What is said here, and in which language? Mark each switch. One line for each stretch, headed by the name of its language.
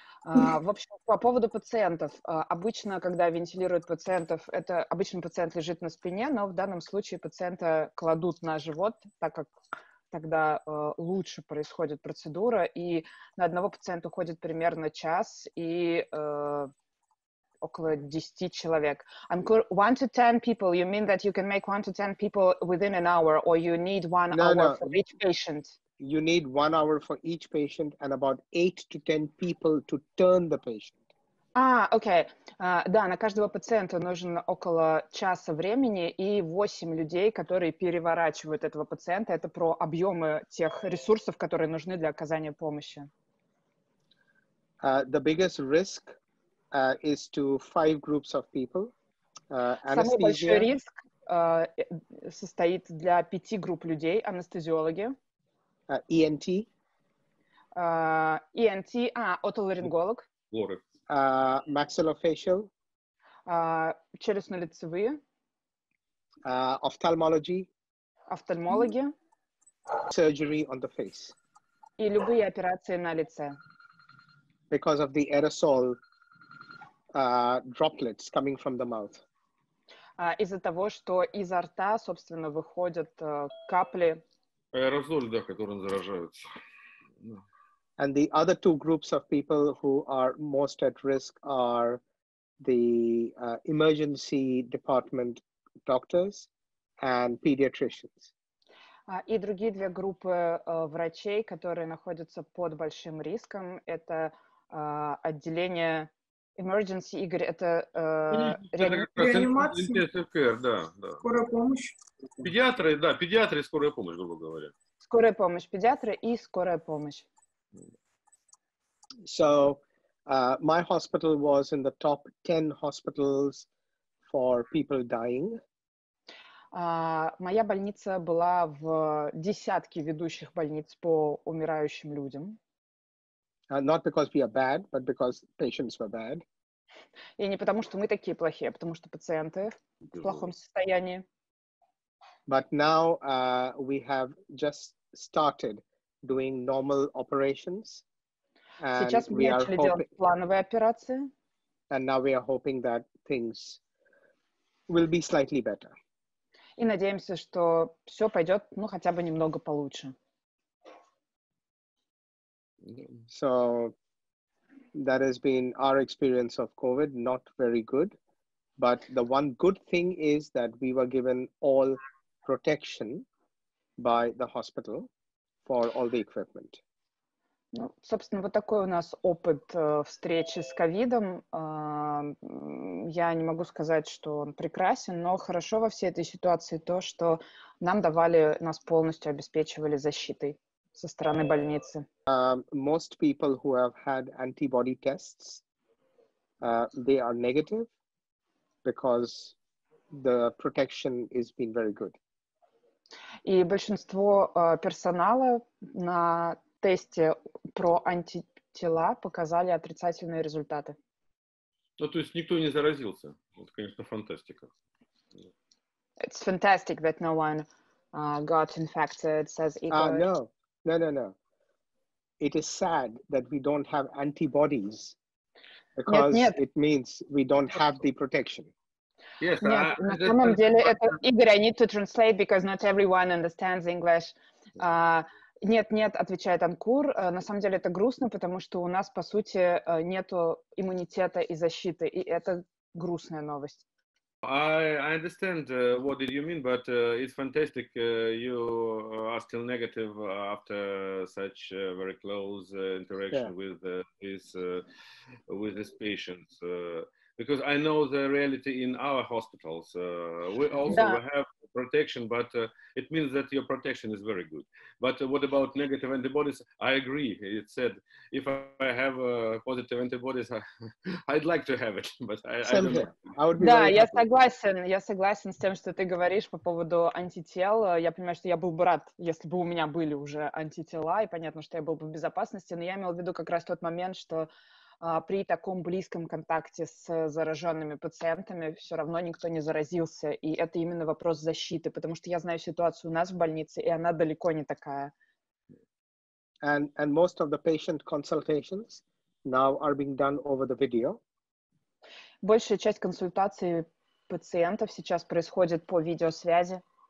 Russian: В общем, по поводу пациентов. Обычно, когда вентилируют пациентов, это обычно пациент лежит на спине, но в данном случае пациента кладут на живот, так как тогда лучше происходит процедура, и на одного пациента уходит примерно час и около 10 человек.
English: Ankur, 1 to 10 people, you mean that you can make 1 to 10 people within an hour, or you need one hour for each patient? You need 1 hour for each patient and about 8 to 10 people to turn the patient. Okay.
Russian: Да, на каждого пациента нужен около часа времени и 8 людей, которые переворачивают этого пациента. Это про объемы тех ресурсов, которые нужны для оказания помощи.
English: The biggest risk is to 5 groups of people.
Russian: Самый большой риск состоит для 5 групп людей, анестезиологи.
English: ENT.
Russian: ENT, отоларинголог.
English: Maxillofacial.
Russian: Челюстно-лицевые.
English: Ophthalmology.
Russian: Офтальмология.
English: Surgery on the face.
Russian: И любые операции на лице.
English: Because of the aerosol droplets coming from the mouth.
Russian: Из-за того, что изо рта, собственно, выходят капли. Аэрозоль, да, которым заражаются.
English: And the other two groups of people who are most at risk are the emergency department doctors and pediatricians.
Russian: И другие две группы врачей, которые находятся под большим риском, это отделение emergency, Игорь, это реанимация, СФР, да, да. Скорая помощь. Педиатры, да, педиатры и скорая помощь, грубо говоря. Скорая помощь, педиатры и скорая помощь.
English: So, my hospital was in the top 10 hospitals for people dying.
Russian: Моя больница была в десятке ведущих больниц по умирающим людям.
English: Not because we are bad, but because patients were bad.
Russian: И не потому, что мы такие плохие, а потому, что пациенты в плохом состоянии.
English: But now we have just started doing normal operations. And
Russian: сейчас мы начали делать плановые операции.
English: And now we are hoping that things will be slightly better.
Russian: И надеемся, что все пойдет, ну, хотя бы немного получше.
English: So, that has been our experience of COVID, not very good. But the one good thing is that we were given all protection by the hospital for all the equipment.
Russian: Ну, собственно, вот такой у нас опыт встречи с ковидом. Я не могу сказать, что он прекрасен, но хорошо во всей этой ситуации то, что нам давали, нас полностью обеспечивали защитой со стороны больницы.
English: Most people who have had antibody tests, they are negative because the protection has been very good.
Russian: И большинство персонала на тесте про антитела показали отрицательные результаты. Ну, то есть никто не заразился. Это, конечно, фантастика.
English: It's fantastic that no one got infected, says Igor. No. It is sad that we don't have antibodies because
Russian: нет, нет.
English: It means we don't have the protection. Yes,
Russian: нет, на самом деле, это, Игорь,
English: I need to translate because not everyone understands English.
Russian: Нет-нет, отвечает Анкур. На самом деле это грустно, потому что у нас, по сути, нету иммунитета и защиты, и это грустная новость.
English: I understand what did you mean, but it's fantastic you are still negative after such very close interaction yeah. with this patient. Because I know the reality in our hospitals. We also yeah. have protection, but it means that your protection is very good. But what about negative antibodies? I agree. It said, if I have positive antibodies, I'd like to have it, but I don't know. I would be
Russian: да, я
English: happy.
Russian: Согласен. Я согласен с тем, что ты говоришь по поводу антител. Я понимаю, что я был бы рад, если бы у меня были уже антитела, и понятно, что я был бы в безопасности, но я имел в виду как раз тот момент, что при таком близком контакте с зараженными пациентами все равно никто не заразился, и это именно вопрос защиты, потому что я знаю ситуацию у нас в больнице, и она далеко не такая.
English: And most of the patient consultations now are being done over the video.
Russian: Большая часть консультаций пациентов сейчас происходит по видеосвязи.